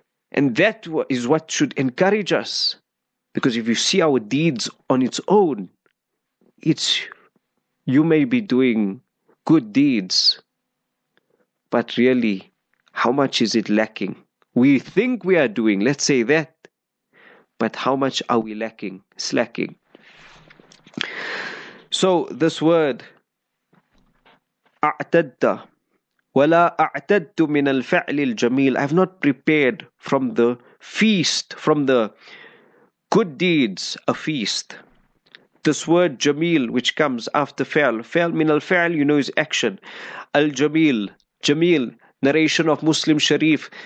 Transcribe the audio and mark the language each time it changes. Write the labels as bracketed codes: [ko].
[en] And that is what should encourage us, because if you see our deeds on its own, it's you may be doing good deeds, but really, how much is it lacking? We think we are doing, let's say that, but how much are we lacking, slacking? So this word, [ar] أعتدت ولا أعتدت من الفعل الجميل. [en] I have not prepared from the feast, from the good deeds, a feast. This word جميل, which comes after فعل. [ar] فعل من الفعل, [en] you know, is action. الجميل, جميل, narration of Muslim Sharif.